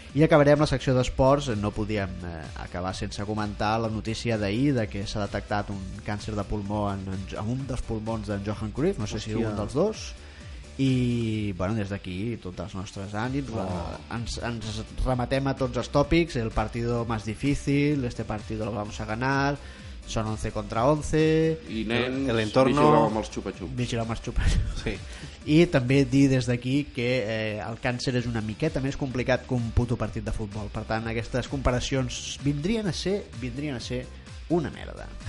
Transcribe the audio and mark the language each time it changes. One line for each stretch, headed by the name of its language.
Catalan: I acabarem la secció d'esports. No podíem acabar sense comentar la notícia d'ahir de que s'ha detectat un càncer de pulmó en un dels pulmons d'en Johan Cruyff, no sé si un dels dos. I bueno, des d'aquí tots els nostres ànims, ens rematem a tots els tòpics.
Spanish: El partido más difícil, este partido lo vamos a ganar, son 11 contra 11
Catalan: i nens,
Spanish: el entorno,
Catalan: vigileu amb els xupa-xups. Sí. I també dir des d'aquí que el càncer és una miqueta més complicat que un puto partit de futbol, per tant aquestes comparacions vindrien a ser una merda.